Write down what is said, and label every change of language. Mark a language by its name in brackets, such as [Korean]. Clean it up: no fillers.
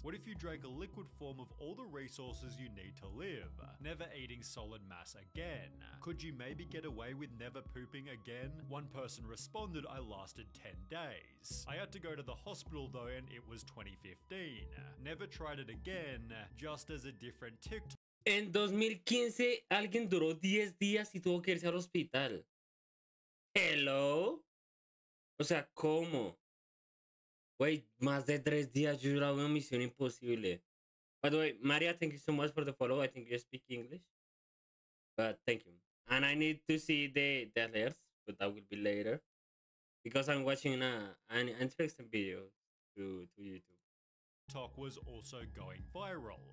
[English] What if you drank a liquid form of all the resources you need to live, never eating solid mass again? Could you maybe get away with never pooping again? One person responded, "I lasted 10 days. I had to go to the hospital though, and it was 2015. Never tried it again, just as a different TikTok." [Spanish] En 2015, alguien duró 10 días y tuvo que irse al hospital. Hello? O sea, ¿cómo? Wait, más de 3 días yo grabo una misión imposible. [English] By the way, Maria, thank you so much for the follow. I think you speak English. But thank you. And I need to see the alerts, but that will be later. Because I'm watching an interesting video to YouTube. TikTok was also going viral.